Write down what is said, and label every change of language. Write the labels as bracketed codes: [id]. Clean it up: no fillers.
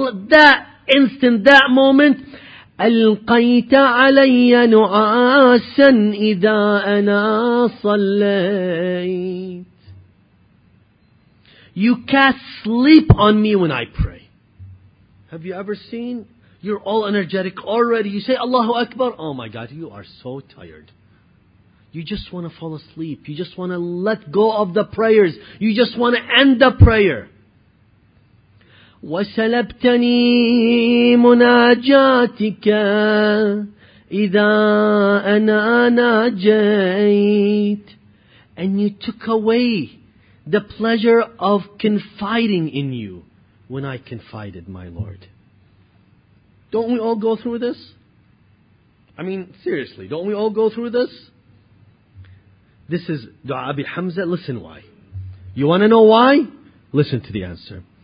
[en] That instant, that moment, [ar] أَلْقَيْتَ عَلَيَّ نُعَاسًا إِذَا أَنَا صَلَّيْتَ. [en] You cast sleep on me when I pray. Have you ever seen? You're all energetic already. You say, Allahu Akbar. Oh my God, you are so tired. You just want to fall asleep. You just want to let go of the prayers. You just want to end the prayer. [ar] وَسَلَبْتَنِي مُنَاجَاتِكَ إِذَا أَنَا نَاجَيْتَ. [en] And You took away the pleasure of confiding in you when I confided, my Lord. Don't we all go through this? I mean, seriously, don't we all go through this? This is Dua Abi Hamza. Listen why. You want to know why? Listen to the answer.